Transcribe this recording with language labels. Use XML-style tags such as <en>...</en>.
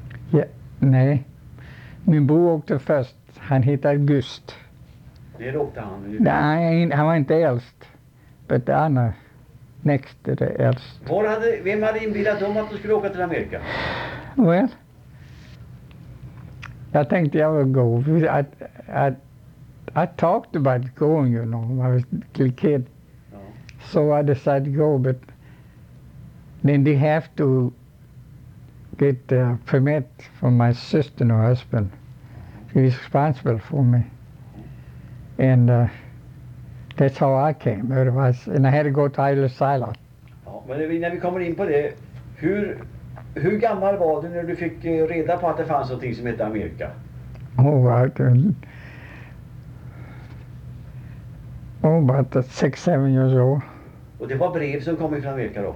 <sv>Ja, nej. Min bror åkte först. Han hette August. Det åkte han? Nej, han var inte äldst. Men det andra, näst är det äldst. Vem hade inbillat dem att de skulle åka till Amerika? Well, jag tänkte jag ville gå.</sv> <en>I talked about going, you know, I was a kid. So I decided to go, but then they have to get a permit from my sister and her husband. He was responsible for me. And that's how I came. Otherwise, and I had to go to Eilers Island.</en> <sv>Ja, men när vi kommer in på det, hur gammal var du när du fick reda på att det fanns någonting som hette Amerika?</sv> <en>Oh, about 6-7 years old.</en> <sv>Och det var brev som kom ifrån Amerika då?</sv>